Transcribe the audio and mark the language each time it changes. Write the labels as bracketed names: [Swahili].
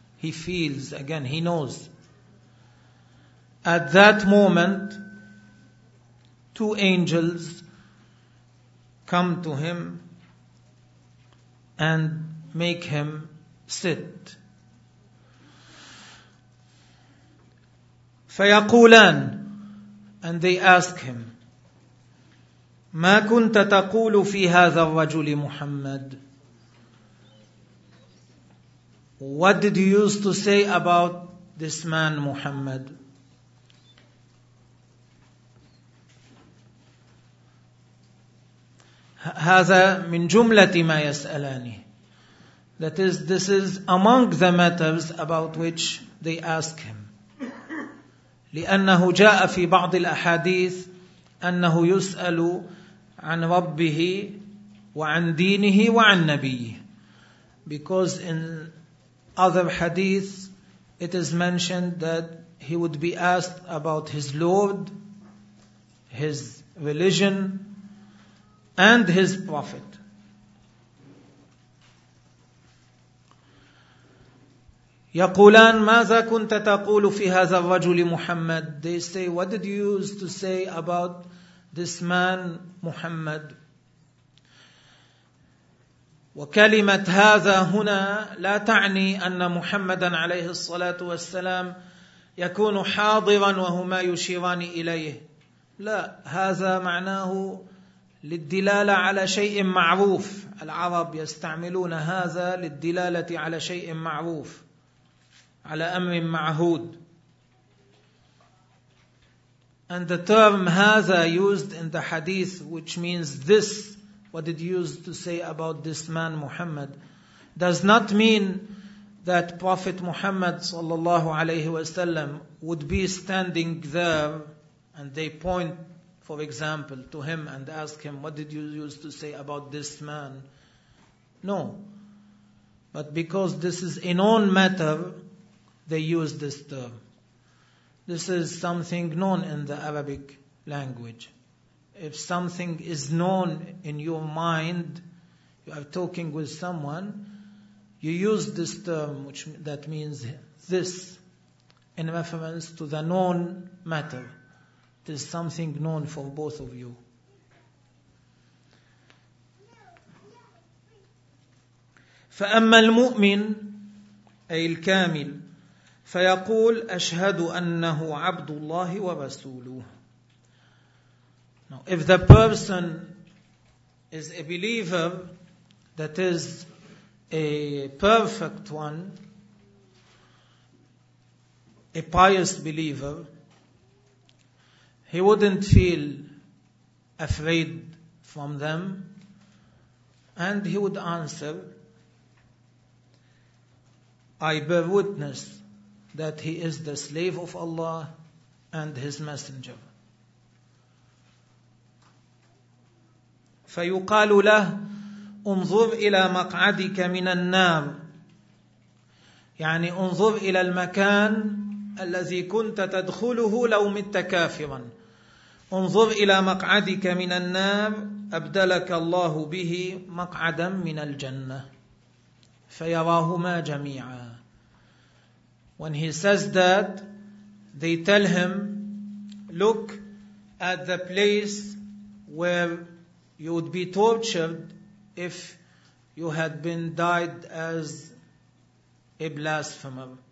[English] He feels again, he knows. At that moment, two angels come to him and make him sit. [Arabic] فيقولان, [English] and they ask him, [Arabic] ما كنت تقول في هذا الرجل محمد? [English] What did you used to say about this man Muhammad? [Arabic] هذا من جملة ما يسألاني. [English] That is, this is among the matters about which they ask him. [Arabic] لأنه جاء في بعض الأحاديث أنه يسأل عن ربه وعن دينه وعن نبيه. [English] Because in other hadith it is mentioned that he would be asked about his Lord, his religion, and his Prophet. [Arabic] يقولان ماذا كنت تقول في هذا الرجل محمد? [English] They say, what did you used to say about this man Muhammad? [Arabic] وكلمة هذا هنا لا تعني أن محمدا عليه الصلاة والسلام يكون حاضرا وهما يشيران إليه. لا, هذا معناه للدلالة على شيء معروف. العرب يستعملون هذا للدلالة على شيء معروف, على أمر معهود. [English] And the term هذا used in the hadith, which means this, what did you used to say about this man Muhammad, does not mean that Prophet Muhammad [Arabic] sallallahu alayhi wa sallam [English] would be standing there and they point, for example, to him and ask him, what did you used to say about this man? No. But because this is a known matter, they use this term. This is something known in the Arabic language. If something is known in your mind, you are talking with someone, you use this term, which that means this, in reference to the known matter. It is something known for both of you. [Arabic] فَأَمَّا الْمُؤْمِنِ أَيْ الْكَامِلِ فيقول أشهد أنه عبد الله ورسوله. [English] Now, if the person is a believer, that is a perfect one, a pious believer, he wouldn't feel afraid from them, and he would answer, I bear witness that he is the slave of Allah and his messenger. [Arabic] فيقال له انظر إلى مقعدك من النار, يعني انظر إلى المكان الذي كنت تدخله لو مت كافرا. انظر إلى مقعدك من النار أبدلك الله به مقعدا من الجنة. فيراهما جميعا. [English] When he says that, they tell him, look at the place where you would be tortured if you had been died as a blasphemer.